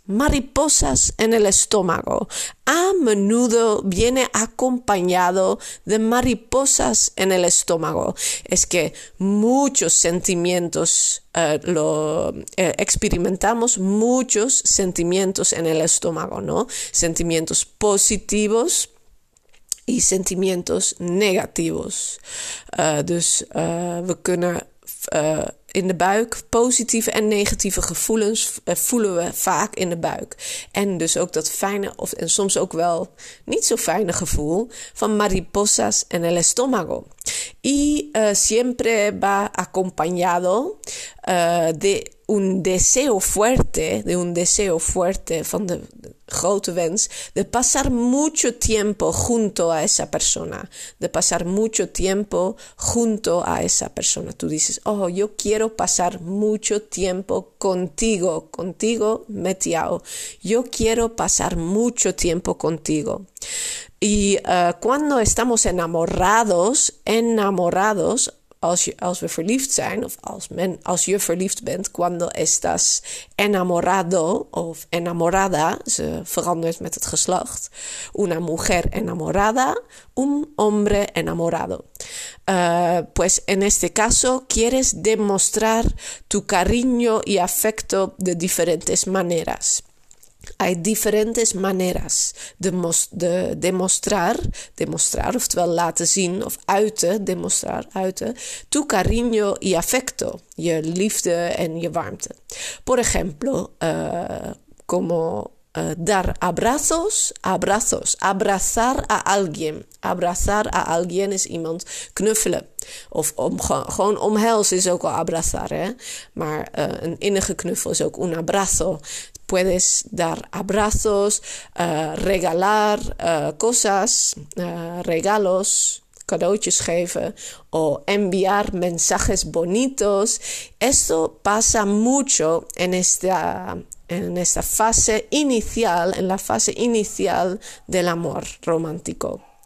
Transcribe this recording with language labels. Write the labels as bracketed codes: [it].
[es] Mariposas en el estómago. A menudo viene acompañado de mariposas en el estómago. Es que muchos sentimientos, experimentamos muchos sentimientos en el estómago, ¿no? Sentimientos positivos y sentimientos negativos. [nl] We kunnen in de buik positieve en negatieve gevoelens voelen we vaak in de buik. En dus ook dat fijne of en soms ook wel niet zo fijne gevoel van [es] mariposas en el estómago. y siempre va acompañado de un deseo fuerte, de un deseo fuerte, [nl] van de grote wens, [es] de pasar mucho tiempo junto a esa persona, de pasar mucho tiempo junto a esa persona. Tú dices, oh, yo quiero pasar mucho tiempo contigo, contigo, metiao. Yo quiero pasar mucho tiempo contigo. Y cuando estamos enamorados, enamorados, [nl] als we verliefd zijn, of als men, als je verliefd bent, [es] cuando estás enamorado [nl] of enamorada, ze verandert met het geslacht. [es] Una mujer enamorada, un hombre enamorado. Pues en este caso, quieres demostrar tu cariño y afecto de diferentes maneras. Hay diferentes maneras de demostrar, [nl] oftewel laten zien of uiten, demostrar, uiten, [es] tu cariño y afecto, [nl] je liefde en je warmte. [es] Por ejemplo, como dar abrazos, abrazos, abrazar a alguien es [nl] iemand knuffelen. Of gewoon omhelzen is ook al abrazar, hè? Maar een innige knuffel is ook un abrazo. [es] Puedes dar abrazos, regalar cosas, regalos, [nl] cadeautjes geven, [es] o enviar mensajes bonitos. Esto pasa mucho en esta fase inicial, en la fase inicial del amor romántico.